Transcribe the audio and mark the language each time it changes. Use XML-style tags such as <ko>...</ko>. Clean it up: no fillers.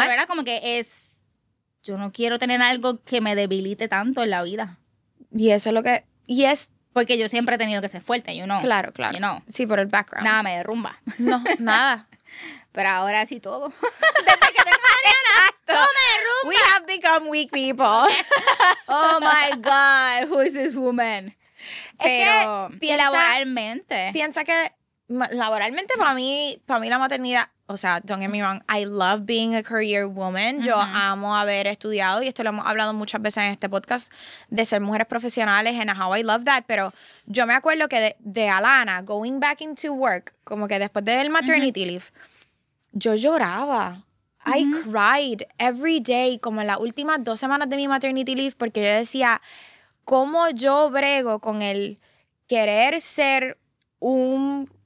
<es>Pero era como que es... yo no quiero tener algo que me debilite tanto en la vida. Y eso es lo que... y es... porque yo siempre he tenido que ser fuerte,</es> <en>you know.</en> <es>Claro, claro.</es> <en>You know.</en> <es>Sí, por el background. Nada me derrumba. No, nada. Pero ahora sí todo. Desde que tengo Mariana. Exacto. ¡No me derrumba!</es> <en>We have become weak people. Oh my God, who is this woman?</en> <es>Pero es que piensa, laboralmente... piensa que laboralmente para mí la maternidad... o sea,</es> <en>don't get me wrong, I love being a career woman. Yo uh-huh.</en> <es>amo haber estudiado, y esto lo hemos hablado muchas veces en este podcast, de ser mujeres profesionales</es> <en>and how I love that.</en> <es>Pero yo me acuerdo que de Alana,</es> <en>going back into work,</en> <es>como que después del maternity uh-huh. leave, yo lloraba. Uh-huh.</es> <en>I cried every day,</en> <es>como en las últimas 2 semanas de mi maternity leave, porque yo decía, ¿cómo yo brego con el querer ser un...</es>